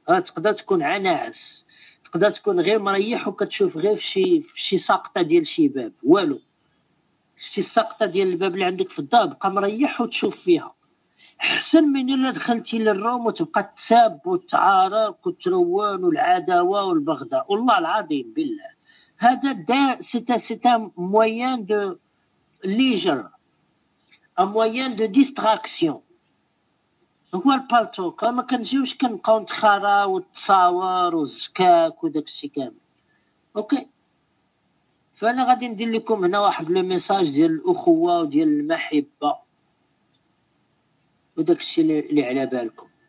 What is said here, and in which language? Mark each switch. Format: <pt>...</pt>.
<ar>راه تقدر تكون عناعس، تقدر تكون غير مريح وكتشوف غير في شي ساقطه ديال شي باب والو، شي ساقطه ديال الباب اللي عندك في الدار بقى مريح وتشوف فيها احسن من الا دخلتي للروم وتبقى تساب وتعارك وتروان والعداوه والبغضاء. والله العظيم بالله</ar> <fr>هذا c'est un moyen de leisure, un moyen de distraction.</fr> <ar>هو البالتو ما كنجيوش كنبقاو نتخاراو والتصاور والزكاك وداك الشيء كامل. اوكي، فانا غادي ندير لكم هنا واحد لو ميساج ديال الاخوه وديال المحبه وداك الشيء اللي على بالكم.</ar>